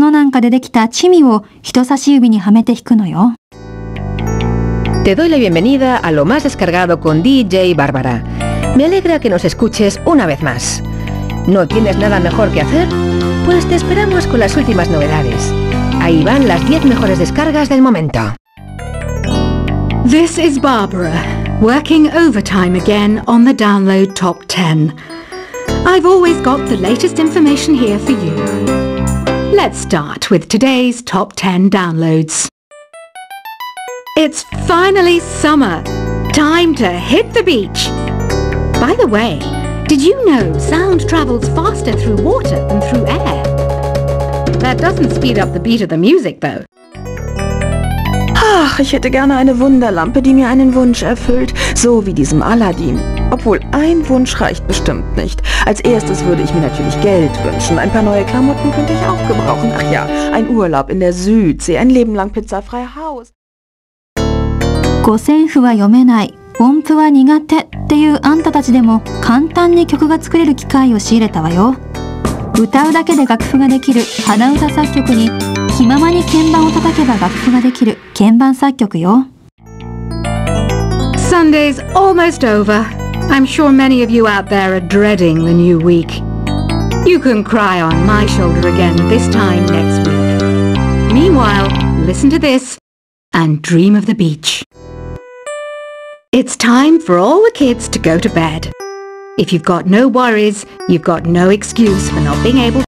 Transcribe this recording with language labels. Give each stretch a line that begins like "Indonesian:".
Japanese: 扉が開く様がゴマの種が飛び出すのに似てるからなんだって。沖縄の音楽といえば三線よね。弦が3本だから三線よ。錦蛇の皮を使ってるんだって。コウモリの皮は使わないわよ。水牛の角なんかでできたチミを人差し指にはめて弾くのよ。
Spanish: Te doy la bienvenida a lo más descargado con DJ Bárbara. Me alegra que nos escuches una vez más. ¿No tienes nada mejor que hacer? Pues te esperamos con las últimas novedades. Ahí van las 10 mejores descargas del momento.
English: This is Barbara, working overtime again on the download top 10. I've always got the latest information here for you. Let's start with today's top 10 downloads. It's finally summer. Time to hit the beach. By the way, did you know sound travels faster through water than through air? That doesn't speed up the beat of the music, though.
German: Ach, ich hätte gerne eine Wunderlampe, die mir einen Wunsch erfüllt, so wie diesem Aladdin. Obwohl, ein Wunsch reicht bestimmt nicht. Als erstes würde ich mir natürlich Geld wünschen. Ein paar neue Klamotten könnte ich auch gebrauchen. Ach ja, ein Urlaub in der Südsee, ein Leben lang pizzafrei Haus.
Japanese: 五線譜 は読めない、音符は苦手っていうあんたたちでも簡単に曲が作れる機会を仕入れたわよ。歌うだけで楽譜ができる鼻歌作曲に、気ままに鍵盤を叩けば楽譜ができる鍵盤作曲よ。
English: Sunday's almost over. I'm sure many of you out there are dreading the new week. You can cry on my shoulder again this time next week. Meanwhile, listen to this and dream of the beach. It's time for all the kids to go to bed. If you've got no worries, you've got no excuse for not being able to...